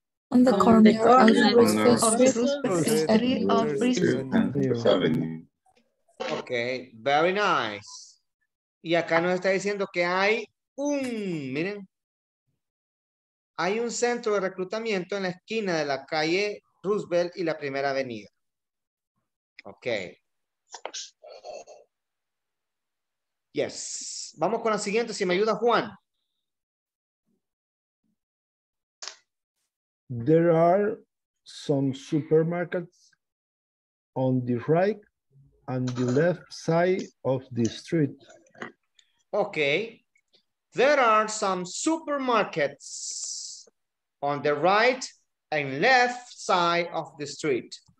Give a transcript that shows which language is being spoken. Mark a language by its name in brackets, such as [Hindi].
[English] On the corner of Roosevelt Street and First Avenue. Okay, very nice. [Spanish] Y acá nos está diciendo que hay un, miren. Hay un centro de reclutamiento en la esquina de la calle Roosevelt y la primera avenida. Okay. Yes. Vamos con la siguiente, si me ayuda Juan. [English] There are some supermarkets on the right and the left side of the street. Okay. There are some supermarkets on the right and left side of the street.